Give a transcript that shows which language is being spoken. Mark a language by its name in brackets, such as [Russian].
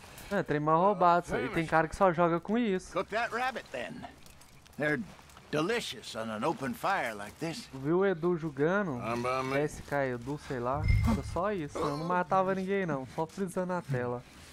[Portuguese] É, trem mal roubado, e tem cara que só joga com isso. [English] Cook that rabbit, then. They're delicious on an open fire like this. [Portuguese] Viu o Edu jogando? SK Edu, sei lá. Era só isso. Eu não matava ninguém, não. Só frisando a tela.